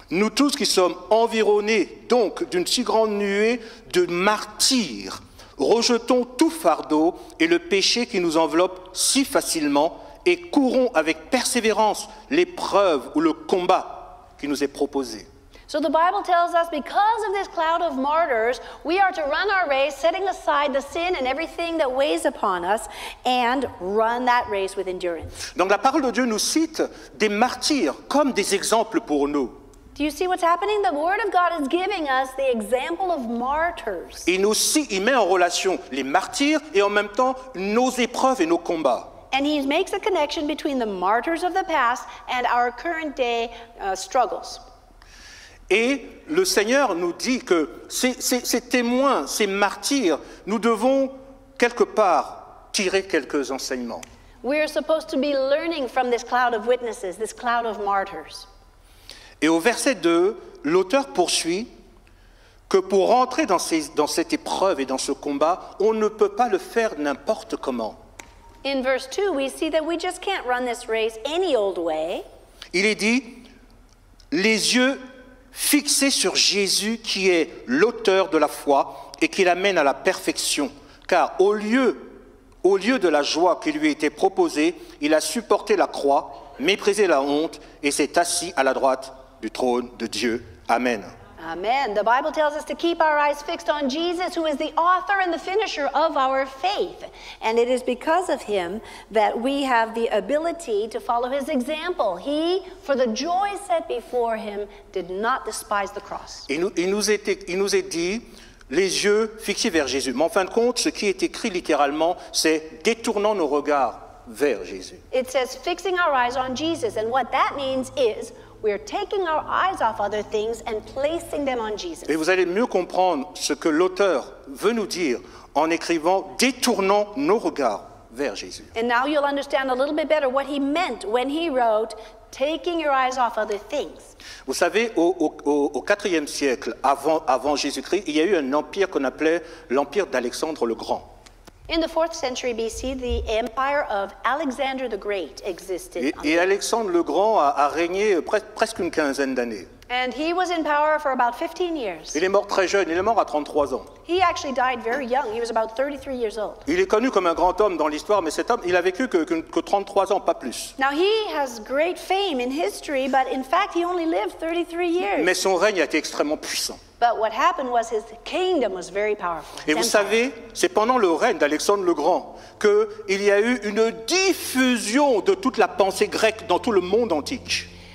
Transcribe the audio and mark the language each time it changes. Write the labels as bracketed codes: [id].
[fr] Nous tous qui sommes environnés donc d'une si grande nuée de martyrs, rejetons tout fardeau et le péché qui nous enveloppe si facilement et courons avec persévérance l'épreuve ou le combat qui nous est proposé. [en] So the Bible tells us because of this cloud of martyrs, we are to run our race, setting aside the sin and everything that weighs upon us, and run that race with endurance. [fr] Donc la parole de Dieu nous cite des martyrs comme des exemples pour nous. [en] Do you see what's happening? The Word of God is giving us the example of martyrs. [fr] Il met en relation les martyrs et en même temps nos épreuves et nos combats. [en] And he makes a connection between the martyrs of the past and our current day struggles. [fr] Et le Seigneur nous dit que ces témoins, ces martyrs, nous devons quelque part tirer quelques enseignements. [en] We are supposed to be learning from this cloud of witnesses, this cloud of martyrs. [fr] Et au verset 2, l'auteur poursuit que pour entrer dans cette épreuve et dans ce combat, on ne peut pas le faire n'importe comment. [en] In verse 2, we see that we just can't run this race any old way. [fr] Il est dit, les yeux fixés sur Jésus qui est l'auteur de la foi et qui l'amène à la perfection. Car au lieu de la joie qui lui était proposée, il a supporté la croix, méprisé la honte et s'est assis à la droite du trône de Dieu. Amen. Amen. [en] The Bible tells us to keep our eyes fixed on Jesus, who is the author and the finisher of our faith. And it is because of him that we have the ability to follow his example. He, for the joy set before him, did not despise the cross. [fr] Il nous est dit, les yeux fixés vers Jésus. Mais en fin de compte, ce qui est écrit littéralement, c'est détournant nos regards vers Jésus. [en] It says fixing our eyes on Jesus. And what that means is, we are taking our eyes off other things and placing them on Jesus. [fr] Et vous allez mieux comprendre ce que l'auteur veut nous dire en écrivant détournant nos regards vers Jésus. [en] And now you'll understand a little bit better what he meant when he wrote taking your eyes off other things. [fr] Vous savez, au 4e siècle avant Jésus-Christ, il y a eu un empire qu'on appelait l'empire d'Alexandre le Grand. [en] In the 4th century BC, the empire of Alexander the Great existed. [fr] Et Alexandre le Grand a régné presque une quinzaine d'années. [en] And he was in power for about 15 years. [fr] Il est mort très jeune, il est mort à 33 ans. [en] He actually died very young, he was about 33 years old. [fr] Il est connu comme un grand homme dans l'histoire, mais cet homme, il a vécu que 33 ans, pas plus. [en] Now he has great fame in history, but in fact he only lived 33 years. [fr] Mais son règne a été extrêmement puissant. [en] But what happened was his kingdom was very powerful. [fr] Et vous savez, c'est pendant le règne d'Alexandre le Grand qu'il y a eu une diffusion de toute la pensée grecque dans tout le monde antique.